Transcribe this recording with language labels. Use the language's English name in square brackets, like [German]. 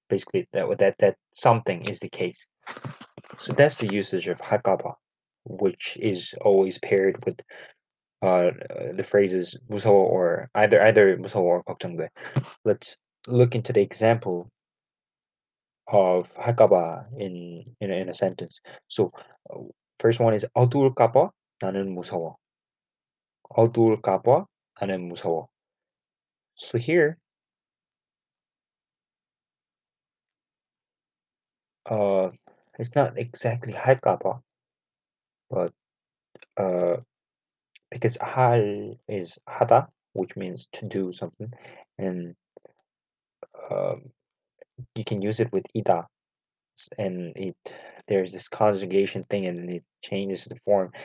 [English] Basically, that something is the case. So that's the usage of 할까봐, which is always paired with the phrases 무서워 or either 무서워 or 걱정돼. Let's look into the example of 할까봐 in a sentence. [Korean] So first one is 어두울까봐 나는 무서워. 어두울까봐 나는 무서워. [English] So here, it's not exactly 할까봐, but because 할 is 하다, which means to do something, and you can use it with 이다, and there's this conjugation thing, and it changes the form.